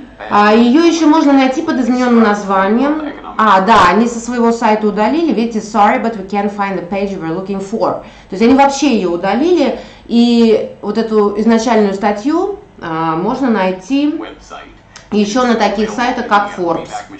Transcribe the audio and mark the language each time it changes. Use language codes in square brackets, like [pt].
[ru] А ее еще можно найти под измененным названием. А, да, они со своего сайта удалили. Видите, [en] «Sorry, but we can't find the page we're looking for». [ru] То есть, они вообще ее удалили. И вот эту изначальную статью можно найти еще на таких сайтах, как Forbes.